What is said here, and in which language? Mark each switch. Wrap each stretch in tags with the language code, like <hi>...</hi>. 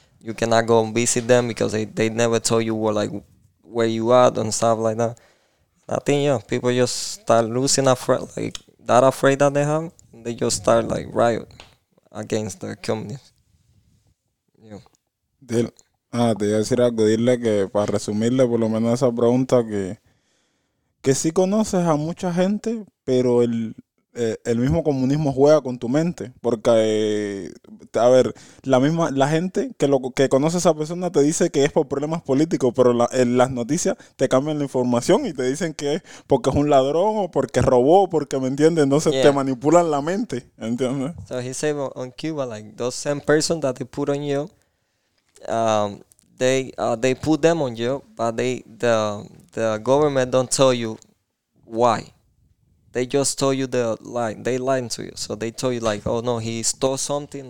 <en>You cannot go and visit them because they never told you what, like, where you are and stuff like that. I think, yeah, people just start losing afraid that they have. And they just start, like, riot against the communists.</en> <es>Yeah. Te iba a decir algo. Dile que, para resumirle, por lo menos esa pregunta, que sí conoces a mucha gente, pero el mismo comunismo juega con tu mente, porque la gente que conoce a esa persona te dice que es por problemas políticos, pero las noticias te cambian la información y te dicen que es porque es un ladrón o porque robó, porque, ¿me entiendes? Entonces te manipulan la mente, ¿entiendes?</es> <en>So he said on Cuba, like, those same person that they put on you, they put them on you, but the government don't tell you why. They just told you the lie. They lied to you. So they told you, like, oh, no, he stole something.</en>